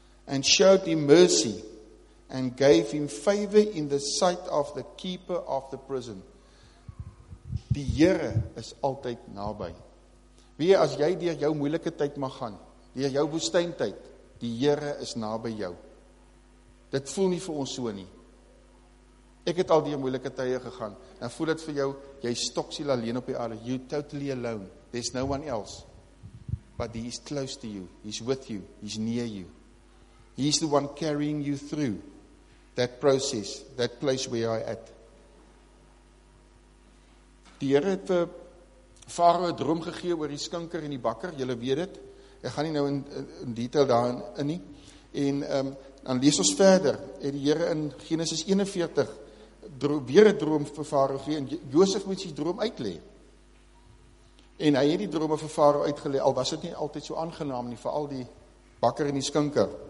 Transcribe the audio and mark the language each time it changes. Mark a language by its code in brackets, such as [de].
[en] And showed him mercy and gave him favor in the sight of the keeper of the prison. [af] Die Here is altyd naby. Wie as jy deur jou moeilike tyd mag gaan, deur jou woestyntyd, die Here is naby jou. Dit voel nie vir ons so nie. Ek het al die moeilike tye gegaan, en voel dit vir jou, jy stok siel alleen op die aarde, [en] you totally alone, there's no one else, but he is close to you, he's with you, he's near you, he's the one carrying you through that process, that place where you are at. [af] Die Here het vir Farao 'n droom gegee oor die skinker en die bakker, julle weet dit, ek gaan nie nou in detail daarin in nie, en dan lees ons verder, en die Here in Genesis 41, weer een droom vir Farao gee, en Josef moet die droom uitlee, en hy het die drome vir Farao uitgelee, al was het nie altyd so aangenaam nie, vir al die bakker en die skinker.